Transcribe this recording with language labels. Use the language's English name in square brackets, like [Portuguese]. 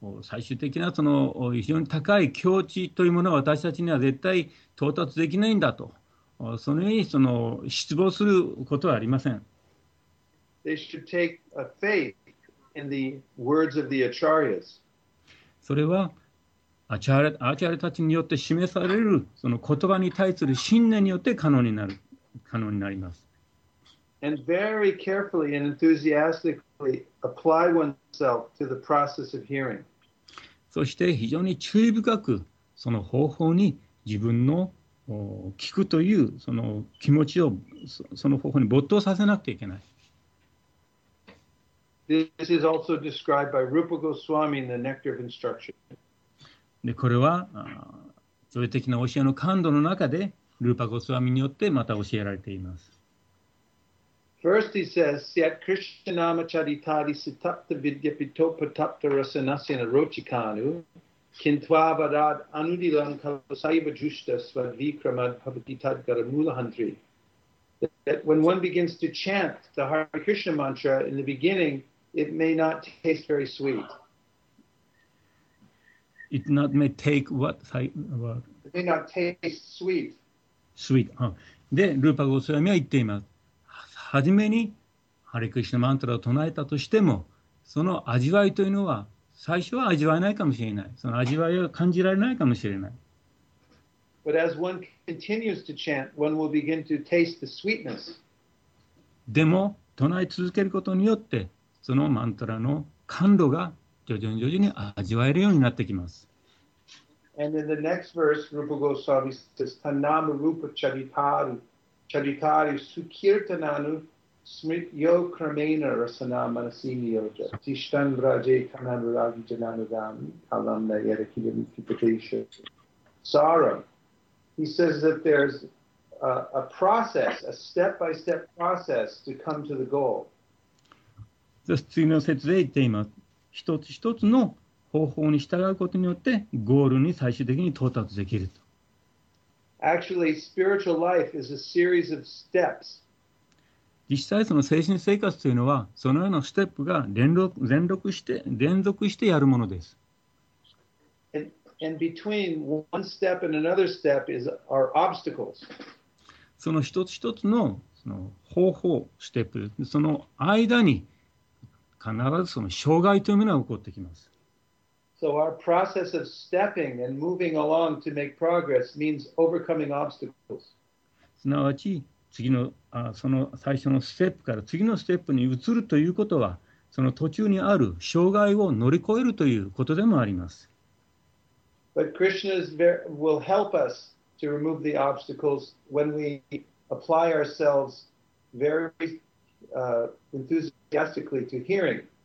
[Japanese] 最終的なその非常に高い境地というものは私たちには絶対到達できないんだと、そのようにその失望することはありません。それはアチャリたちによって示されるその言葉に対する信念によって可能になります。 [English] And very carefully and enthusiastically apply oneself to the process of hearing. [Japanese] そして非常に注意深くその方法に自分の聞くというその気持ちをその方法に没頭させなくてはいけない。 [English] This is also described by Rupa Goswami in the Nectar of Instruction. [Japanese] でこれは超越的な教えの感度の中でルーパゴスワミによってまた教えられています。 [English] First he says, [Sanskrit] Syat Krishnanama Charitari Sitapta Vidya Pitopatapta Rasanasena Rochikanu Kintva Varad Anudilam Kalasaiva Jushta Svadvikramad Pavaditad Garamulahantri. [English] That when one begins to chant the Hare Krishna mantra in the beginning, it may not taste very sweet. It not may take what? It may not taste sweet. Sweet.、Huh. [Japanese] で、ルーパゴスワミは言っています。はじめにハリクリシナマントラを唱えたとしても、その味わいというのは最初は味わえないかもしれない。その味わいは感じられないかもしれない。 [English] But as one continues to chant, one will begin to taste the sweetness. [Japanese] でも唱え続けることによって、そのマントラの甘露が徐々に味わえるようになってきます。 [English] And in the next verse, Rupa Goswami says, [Sanskrit] "Tanam Rupa Charitaru. Charitari Sukirtananu Smrityo Kramena Rasanamanasini Yoja Tishtan Vraje Kananuragi Jananudam Kalam Nayera Kidami Kipatesha Sarum. [English] He says that there's a process, a step-by-step process to come to the goal. [Japanese] そして次の説で言っています。一つ一つの方法に従うことによってゴールに最終的に到達できると。 [English] Actually, spiritual life is a series of steps. [Japanese] 実際その精神生活というのはそのようなステップが連続してやるものです。 [English] And between one step and another step is our obstacles. [Japanese] その一つ一つのその方法ステップその間に必ずその障害というものが起こってきます。 [English] So our process of stepping and moving along to make progress means overcoming obstacles. [Japanese] すなわち次のその最初のステップから次のステップに移るということはその途中にある障害を乗り越えるということでもあります。 [English] But Krishna will help us to remove the obstacles when we apply ourselves very enthusiastically to hearing.